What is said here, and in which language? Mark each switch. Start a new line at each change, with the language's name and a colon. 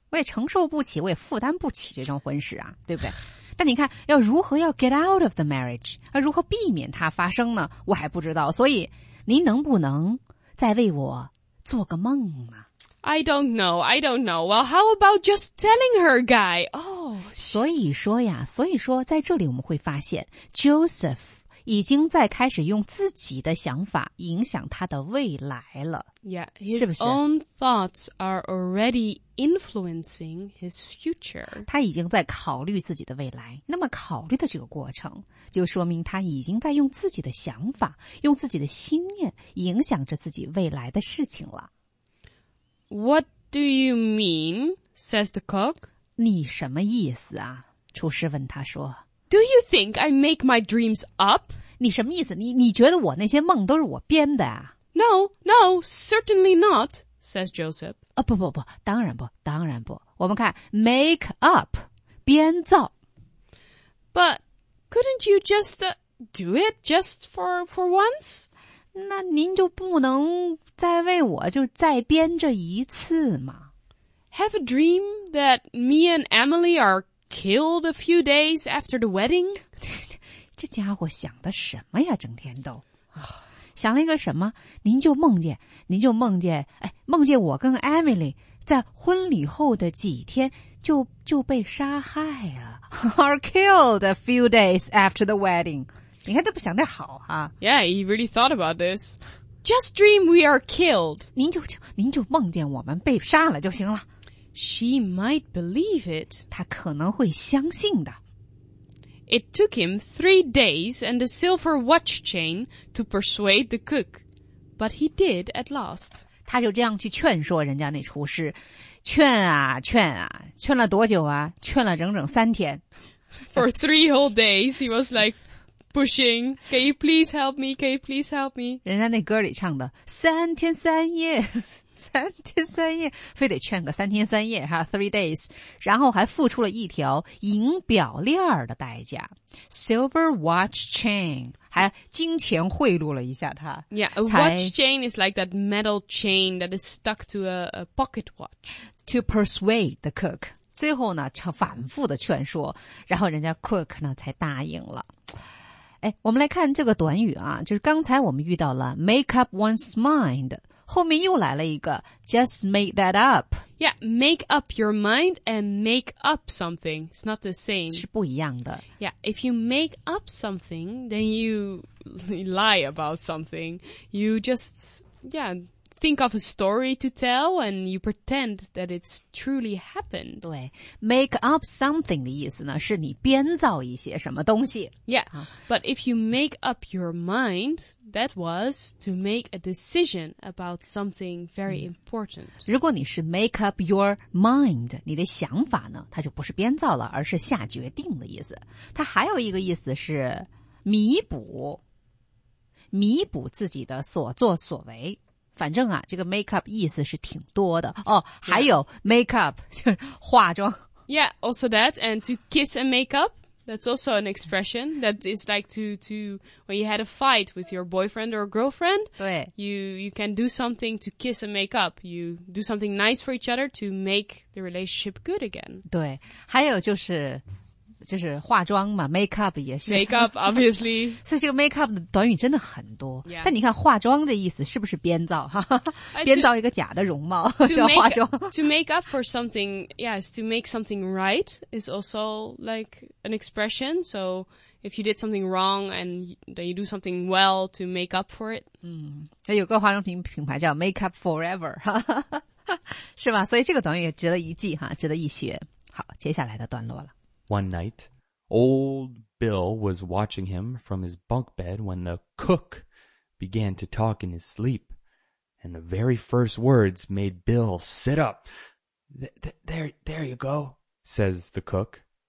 Chinese: 我也承受不起，我也负担不起这桩婚事啊，对不对？但你看，要如何要
English: get out of the marriage，
Chinese: 而如何避免它发生呢？我还不知道。所以，您能不能再为我做个梦呢
English: ？I don't know. I don't know. Well, how about just telling her, guy? Oh,
Chinese: 所以说呀，所以说，在这里我们会发现 ，Joseph 已经在开始用自己的想法影响他的未来了。 Yeah,
English: his own thoughts are already. Influencing his future.
Chinese: 他已经在考虑自己的未来。那么考虑的这个过程就说明他已经在用自己的想法用自己的心念影响着自己未来的事情了。
English: What do you mean? Says the cook.
Chinese: 你什么意思啊？厨师问他说。
English: Do you think I make my dreams up?
Chinese: 你什么意思？你觉得我那些梦都是我编的啊？
English: No, no, certainly not, says Joseph.
Chinese: 啊、不不不当然不当然不我们看 make up, 编造。
English: But couldn't you just、do it just for once?
Chinese: 那您就不能再为我就再编这一次吗
English: ?Have a dream that me and Emily are killed a few days after the wedding?
Chinese: 这家伙想的什么呀整天都。想了一个什么您就梦见哎梦见我跟 Emily 在婚礼后的几天就被杀害了
English: are killed a few days after the wedding.
Chinese: 你看他不想点好啊。
English: Yeah, he really thought about this. Just dream we are killed.
Chinese: 您就梦见我们被杀了就行了。
English: She might believe it.
Chinese: 他可能会相信的。
English: It took him 3 days and a silver watch chain to persuade the cook, but he did at last.
Chinese: 他就这样去劝说人家那厨师，劝啊劝啊，劝了多久啊？劝了整整三天。
English: For 3 whole days, he was like pushing, "Can you please help me? Can you please help me?"
Chinese: 人家那歌里唱的三天三夜，三天三夜，非得劝个三天三夜哈 3 days， 然后还付出了一条银表链的代价 ，
English: silver watch chain，
Chinese: 还金钱贿赂了一下他。
English: Yeah, a watch chain is like that metal chain that is stuck to a pocket watch. To persuade the cook，
Chinese: 最后呢，反复的劝说，然后人家 cook 呢才答应了。哎，我们来看这个短语啊，就是刚才我们遇到了
English: make up one's mind，
Chinese: 后面又来了一个
English: just make that up。 Yeah, make up your mind and make up something. It's not the same.
Chinese: 是不一样的。
English: Yeah, if you make up something, then you lie about something. You just, yeah, think of a story to tell and you pretend that it's truly happened.
Chinese: 对 ,
English: make up something
Chinese: 的意思呢是你编造一些什么东西。
English: Yeah,、but if you make up your mind, that was to make a decision about something very important.
Chinese: 如果你是
English: make up your mind,
Chinese: 你的想法呢它就不是编造了而是下决定的意思。它还有一个意思是弥补自己的所作所为。反正啊，这个 make up 意思是挺多的哦。还有 make up 就是化妆。
English: Yeah, also that and to kiss and make up. That's also an expression that is like to when you had a fight with your boyfriend or girlfriend.
Chinese: 对
English: ，you can do something to kiss and make up. You do something nice for each other to make the relationship good again.
Chinese: 对，还有就是就是化妆嘛 ，make up 也是
English: make up obviously。
Chinese: 所以这个 make up 的短语真的很多。
English: Yeah.
Chinese: 但你看化妆这意思是不是编造？编造一个假的容貌叫化妆。
English: To make up for something, yes, to make something right is also like an expression. So if you did something wrong and then you do something well to make up for it.
Chinese: 嗯，有个化妆品品牌叫 Make Up Forever， 是吧？所以这个短语值得一记哈，值得一学。好，接下来的段落了。
English: One night, old Bill was watching him from his bunk bed when the cook began to talk in his sleep. And the very first words made Bill sit up. There you go, says the cook.